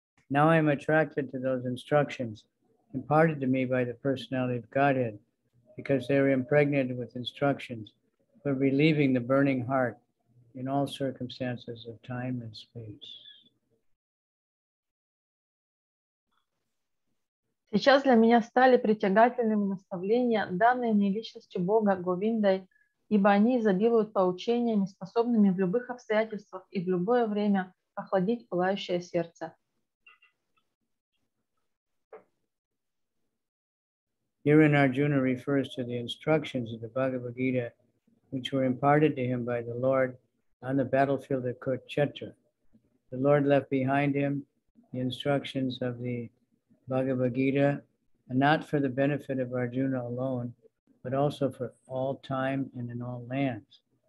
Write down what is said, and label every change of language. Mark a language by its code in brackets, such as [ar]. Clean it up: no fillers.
[en] Now I am attracted to those instructions imparted to me by the personality of Godhead, because they are impregnated with instructions for relieving the burning heart in all circumstances of time and space. [ru] Сейчас для меня стали притягательными наставления, данные мне личностью Бога Говиндой, ибо они изобилуют поучениями, способными в любых обстоятельствах и в любое время охладить пылающее сердце. [en] Herein Arjuna refers to the instructions of the Bhagavad Gita, which were imparted to him by the Lord on the battlefield of Kurukshetra. The Lord left behind him the instructions of the Bhagavad Gita, and not for the benefit of Arjuna alone, but also for all time and in all lands.